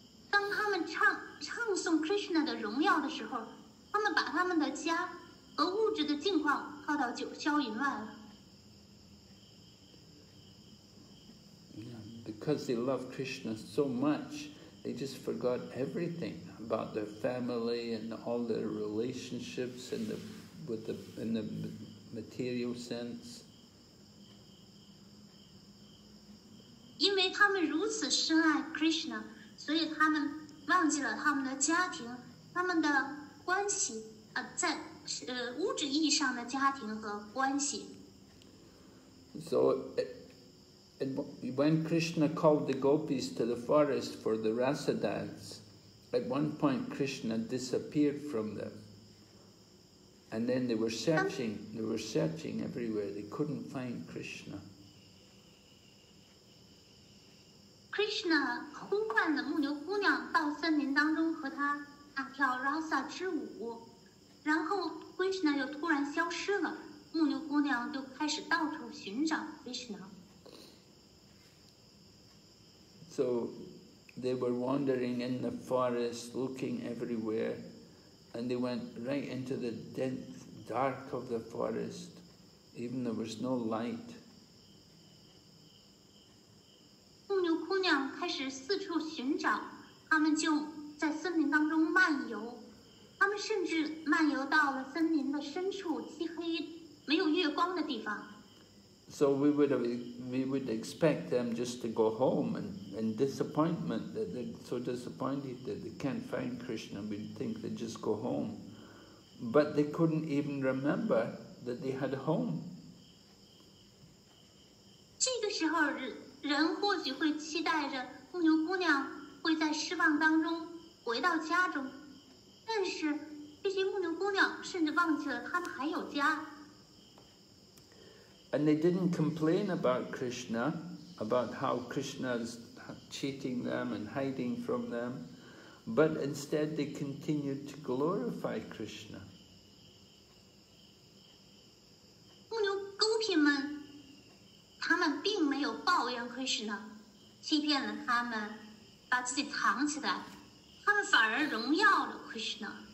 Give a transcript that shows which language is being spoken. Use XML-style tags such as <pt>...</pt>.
<zh>当他们唱诵 Krishna 的荣耀的时候，他们把他们的家和物质的境况抛到九霄云外了。</zh> <en>Yeah, because they love Krishna so much, they just forgot everything about their family and all their relationships in the with the in the material sense.</en> <zh>因为他们如此深爱 Krishna， 所以他们忘记了他们的家庭，他们的关系，在物质意义上的家庭和关系。</zh> <en>So, when Krishna called the gopis to the forest for the rasa dance, at one point Krishna disappeared from them, and then they were searching. They were searching everywhere. They couldn't find Krishna.</en> <zh>Krishna 呼唤了牧牛姑娘到森林当中和他那跳 rasa 之舞，然后 Krishna 又突然消失了，牧牛姑娘就开始到处寻找 Krishna。</zh> <en>So they were wandering in the forest, looking everywhere, and they went right into the dense dark of the forest. Even there was no light.</en> <zh>牧牛姑娘开始四处寻找，他们就在森林当中漫游，他们甚至漫游到了森林的深处，漆黑、没有月光的地方。</zh> <en>So we would expect them just to go home in disappointment that they're so disappointed that they can't find Krishna. We'd think they'd just go home, but they couldn't even remember that they had a home.</en> <zh>这个时候，人或许会期待着牧牛姑娘会在失望当中回到家中，但是这些牧牛姑娘甚至忘记了她们还有家。</zh> <en>And they didn't complain about Krishna, about how Krishna's cheating them and hiding from them, but instead they continued to glorify Krishna.</en> <zh>牧牛勾品们，他们并没有抱怨 Krishna 欺骗了他们，把自己藏起来，他们反而荣耀了 Krishna.</zh>